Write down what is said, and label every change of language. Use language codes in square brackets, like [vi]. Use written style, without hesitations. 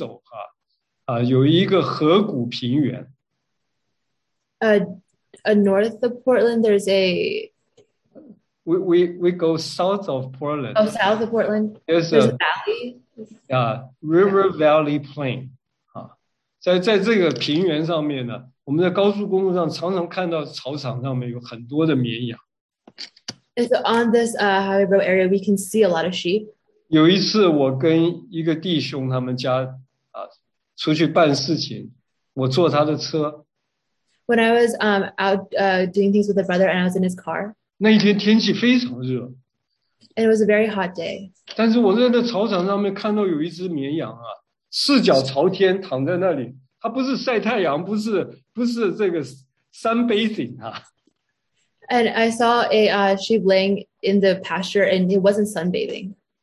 [zh] 我们波特兰这边呢，往南走哈，有一个河谷平原。 [en] North of Portland, there's a. We go south of Portland. Oh, south of Portland. There's a valley. Yeah, River Valley Plain. [zh] 在这个平原上面呢。我们在高速公路上常常看到草场上面有很多的绵羊。 [en] So on this highway road area, we can see a lot of sheep. [zh] 有一次我跟一个弟兄他们家出去办事情，我坐他的车。 [en] When I was doing things with a brother and I was in his car. [zh] 那一天天气非常热。 [en] And it was a very hot day. [zh] 但是我在那草场上面看到有一只绵羊啊，四脚朝天躺在那里。它不是晒太阳，不是这个sunbathing啊。 [en] And I saw a sheep laying in the pasture, and it wasn't sunbathing.